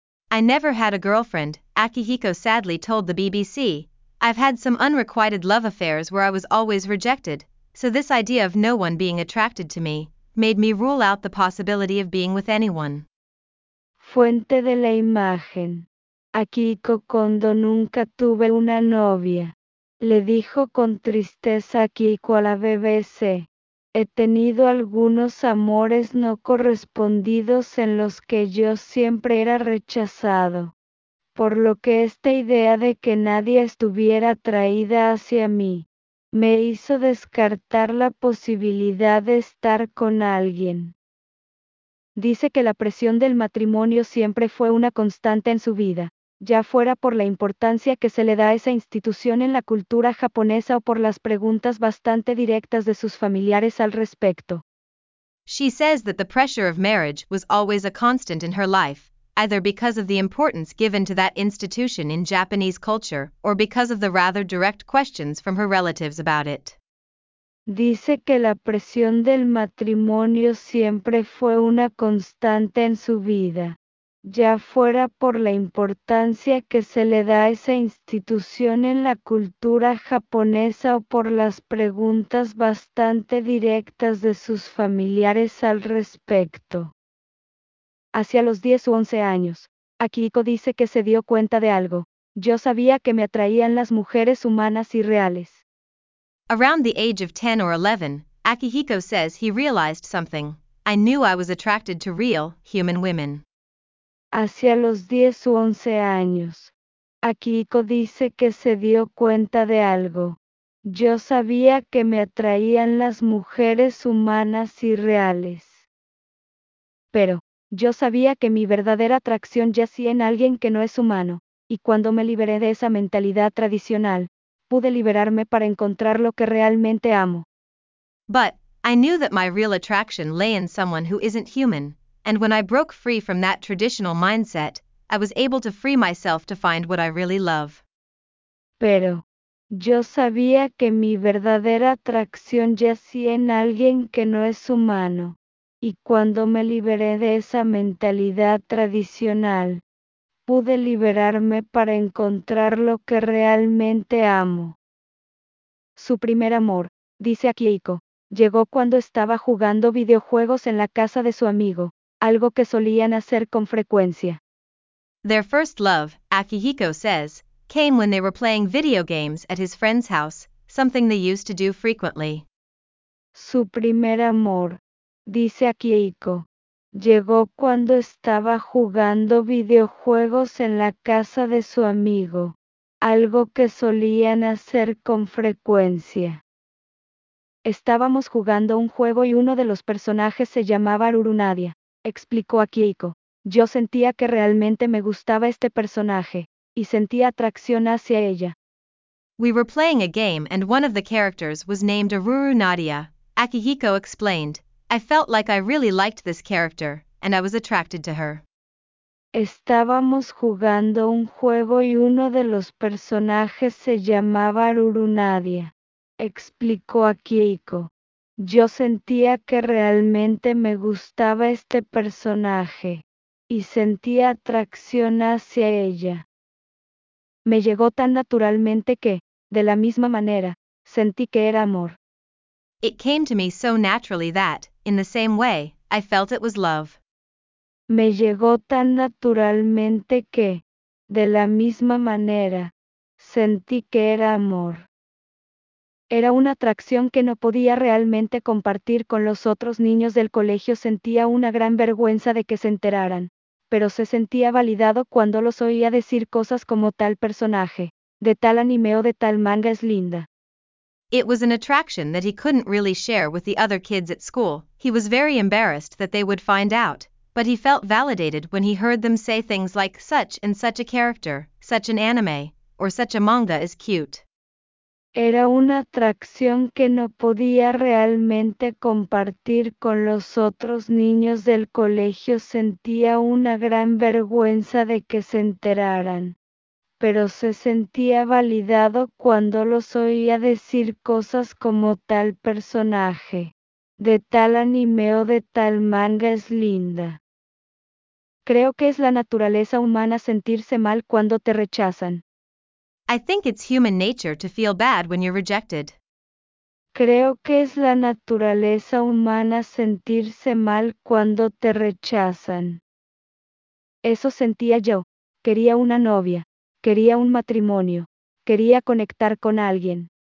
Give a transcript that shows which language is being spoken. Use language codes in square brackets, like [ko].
[en] I never had a girlfriend, Akihiko sadly told the BBC. I've had some unrequited love affairs where I was always rejected, so this idea of no one being attracted to me, made me rule out the possibility of being with anyone. [es] Fuente de la imagen. Akiko Kondo, nunca tuve una novia, le dijo con tristeza Akiko a la BBC. He tenido algunos amores no correspondidos en los que yo siempre era rechazado, por lo que esta idea de que nadie estuviera atraída hacia mí, me hizo descartar la posibilidad de estar con alguien. Dice que la presión del matrimonio siempre fue una constante en su vida, ya fuera por la importancia que se le da a esa institución en la cultura japonesa o por las preguntas bastante directas de sus familiares al respecto. [en] She says that the pressure of marriage was always a constant in her life, either because of the importance given to that institution in Japanese culture or because of the rather direct questions from her relatives about it. [es] Dice que la presión del matrimonio siempre fue una constante en su vida, ya fuera por la importancia que se le da a esa institución en la cultura japonesa o por las preguntas bastante directas de sus familiares al respecto. Hacia los 10 u 11 años, Akiko dice que se dio cuenta de algo. Yo sabía que me atraían las mujeres humanas y reales. [en] Around the age of 10 or 11, Akihiko says he realized something. I knew I was attracted to real, human women. [es] Hacia los 10 u 11 años, Akiko dice que se dio cuenta de algo. Yo sabía que me atraían las mujeres humanas y reales. Pero, yo sabía que mi verdadera atracción yacía en alguien que no es humano, y cuando me liberé de esa mentalidad tradicional, pude liberarme para encontrar lo que realmente amo. [en] But, I knew that my real attraction lay in someone who isn't human, and when I broke free from that traditional mindset, I was able to free myself to find what I really love. [es] Pero, yo sabía que mi verdadera atracción yacía en alguien que no es humano, y cuando me liberé de esa mentalidad tradicional, pude liberarme para encontrar lo que realmente amo. Su primer amor, dice Akiko, llegó cuando estaba jugando videojuegos en la casa de su amigo, algo que solían hacer con frecuencia. [en] Their first love, Akihiko says, came when they were playing video games at his friend's house, something they used to do frequently. [es] Su primer amor, dice Akiko, llegó cuando estaba jugando videojuegos en la casa de su amigo, algo que solían hacer con frecuencia. Estábamos jugando un juego y uno de los personajes se llamaba Aruru Nadia, explicó Akiko, Yo sentía que realmente me gustaba este personaje, y sentía atracción hacia ella. [en] We were playing a game and one of the characters was named Aruru Nadia, Akihiko explained. I felt like I really liked this character, and I was attracted to her. [es] Estábamos jugando un juego y uno de los personajes se llamaba Aruru Nadia, explicó Akihiko. Yo sentía que realmente me gustaba este personaje, y sentía atracción hacia ella. Me llegó tan naturalmente que, de la misma manera, sentí que era amor. [en] It came to me so naturally that, in the same way, I felt it was love. [es] Me llegó tan naturalmente que, de la misma manera, sentí que era amor. Era una atracción que no podía realmente compartir con los otros niños del colegio. Sentía una gran vergüenza de que se enteraran, pero se sentía validado cuando los oía decir cosas como tal personaje, de tal anime o de tal manga es linda. [en] It was an attraction that he couldn't really share with the other kids at school. He was very embarrassed that they would find out, but he felt validated when he heard them say things like such and such a character, such an anime, or such a manga is cute. [es] Era una atracción que no podía realmente compartir con los otros niños del colegio. Sentía una gran vergüenza de que se enteraran, pero se sentía validado cuando los oía decir cosas como tal personaje, de tal anime o de tal manga es linda. Creo que es la naturaleza humana sentirse mal cuando te rechazan. [en] I think it's human nature to feel bad when you're rejected. [es] Creo que es la naturaleza humana sentirse mal cuando te rechazan. Eso sentía yo. Quería una novia. Quería un matrimonio. Quería conectar con alguien.